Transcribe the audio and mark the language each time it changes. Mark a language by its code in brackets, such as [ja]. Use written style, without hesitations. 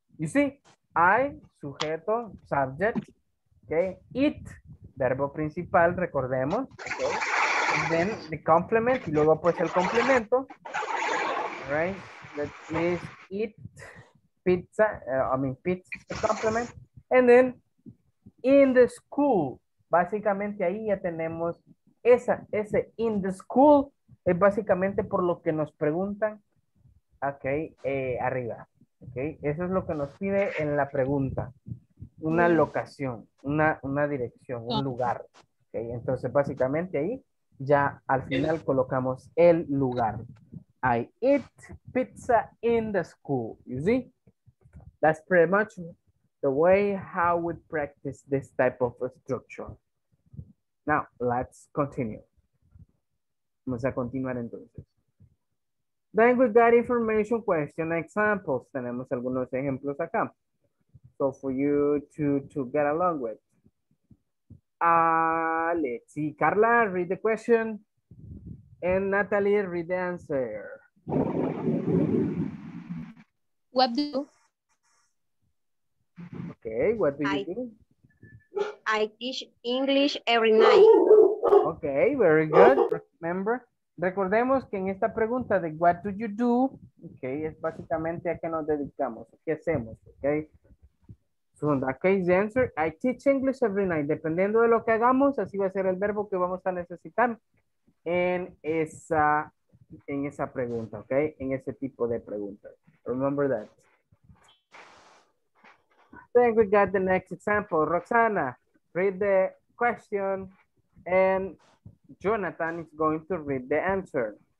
[en] You see, I, sujeto, subject, okay, eat, [es] verbo principal, recordemos, [en] okay, and then the complement, [es] y luego pues el complemento, [en] right, let me eat pizza, pizza, the complement, and then in the school, [es] básicamente ahí ya tenemos esa, ese [en] in the school, [es] es básicamente por lo que nos preguntan, [en] ok, arriba. Okay. [es] Eso es lo que nos pide en la pregunta. Una locación, una dirección, un lugar. Okay. Entonces, básicamente ahí ya al final colocamos el lugar. [en] I eat pizza in the school. You see? That's pretty much the way how we practice this type of structure. Now, let's continue. [es] Vamos a continuar entonces. [en] Then we got information question examples. [es] Tenemos algunos ejemplos acá. [en] So for you to get along with. Let's see. Carla, read the question. And Natalie, read the answer. What do you do? Okay, what do you do? I teach English every night. Okay, very good. Remember? [es] Recordemos que en esta pregunta de [en] what do you do, [es] okay, es básicamente a qué nos dedicamos, qué hacemos, okay. [en] So in that case, the answer, I teach English every night. [es] Dependiendo de lo que hagamos, así va a ser el verbo que vamos a necesitar en esa pregunta, okay, en ese tipo de preguntas. [en] Remember that. Then we got the next example. Roxana, read the question and Jonathan is going to read the answer.